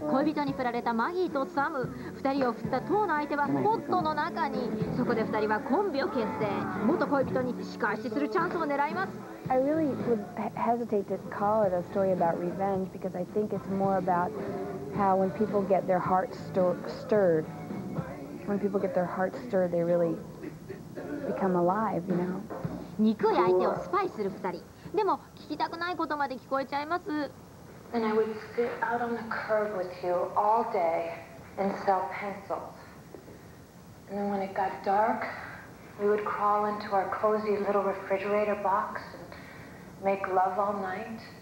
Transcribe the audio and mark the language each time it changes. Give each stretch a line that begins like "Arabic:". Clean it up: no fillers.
Japanese: 恋人に振られたマギーとサム、二人を振った当の相手はポットの中に。そこで二人はコンビを結成。元恋人に仕返しするチャンスを狙います。
English: I really would hesitate to call it a story about revenge because I think it's more about how when people get their hearts stirred, when people get their hearts stirred, they really become alive, you know?
Japanese: 憎い相手をスパイする二人。でも聞きたくないことまで聞こえちゃいます。
English: And I would sit out on the curb with you all day and sell pencils. And then when it got dark, we would crawl into our cozy little refrigerator box and make love all night.